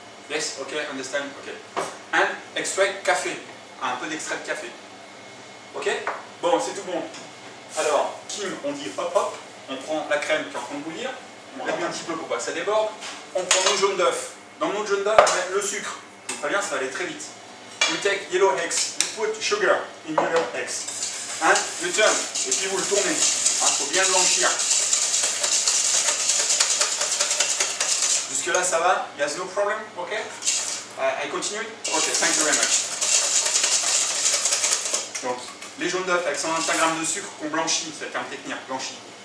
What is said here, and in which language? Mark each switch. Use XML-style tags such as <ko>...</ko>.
<en>Yes, ok, understand, ok. And extract café,</en> <fr>un peu d'extrait de café. Ok, bon, c'est tout bon. Alors, Kim, on dit hop hop, on prend la crème qui est en train de bouillir, on la met un petit peu pour pas que ça déborde, on prend notre jaune d'œuf. Dans notre jaune d'œuf, on met le sucre. Très bien, ça va aller très vite.</fr> <en>You take yellow eggs, you put sugar in yellow eggs.</en> <fr>Hein, le turn, et puis vous le tournez. Hein, faut bien blanchir. Jusque-là, ça va? Il y a</fr> <en>no problem? Ok? I continue? Ok, thank you very much.</en> <fr>Donc, les jaunes d'œufs avec 125 g de sucre qu'on blanchit, c'est le terme technique, blanchit.</fr>